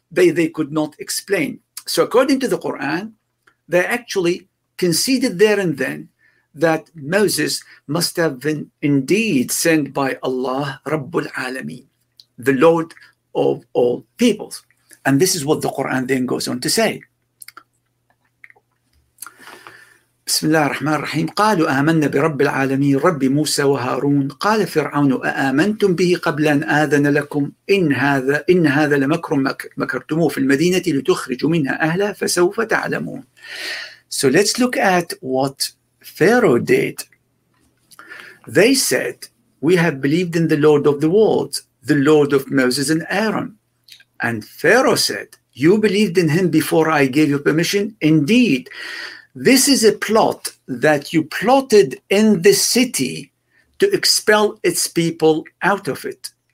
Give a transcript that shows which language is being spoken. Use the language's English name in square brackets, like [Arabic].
[English] they could not explain. So according to the Quran, they actually conceded there and then that Moses must have been indeed sent by Allah, Rabbul Alameen, the Lord of all peoples. And this is what the Quran then goes on to say. [Arabic] بسم الله الرحمن الرحيم قالوا آمنا برب العالمين رب موسى وهارون قال فرعون أآمنتم به قبل أن آذن لكم إن هذا لمكر مكرتموه في المدينة لتخرجوا منها أهلا فسوف تعلمون. [English] So let's look at what Pharaoh did. They said, we have believed in the Lord of the world, the Lord of Moses and Aaron. And Pharaoh said, you believed in him before I gave you permission? Indeed, this is a plot that you plotted in the city to expel its people out of it.